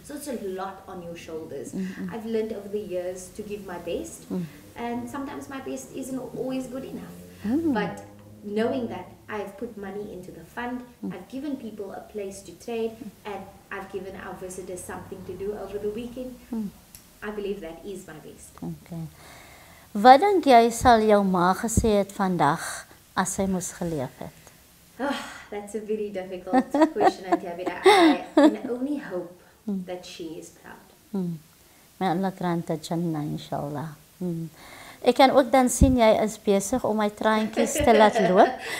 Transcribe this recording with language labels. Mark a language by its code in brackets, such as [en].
[en] So it's a lot on your shoulders. I've learned over the years to give my best. And sometimes my best isn't always good enough. But knowing that I've put money into the fund, I've given people a place to trade, and I've given our visitors something to do over the weekend, I believe that is my best. Okay. [af] Wat dink jy sal jou ma gesê het vandag as sy moes geleef het? [en] Oh, that's a very difficult question, Antiabida. I can only hope that she is proud. May Allah grant that Jannah, inshallah. [af] Ek kan ook dan sien jy is besig om my traantjies te laat loop.